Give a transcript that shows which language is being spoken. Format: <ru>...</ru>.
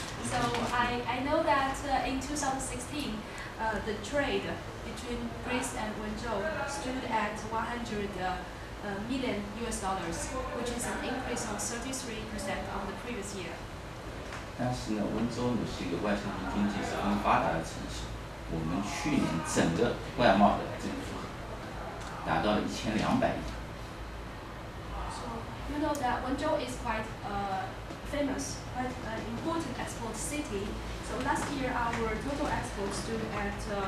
<en>So I know that in 2016, the trade between Greece and Wenzhou stood at 100 million US dollars, which is an increase of 33% on the previous year.</en> <zh>但是呢，温州呢是一个外向型经济、十分发达的城市。我们去年整个外贸的这个数额达到了1200亿。</zh> <en>So you know that Wenzhou is quite famous, quite an important export city. So last year our total export stood at</en>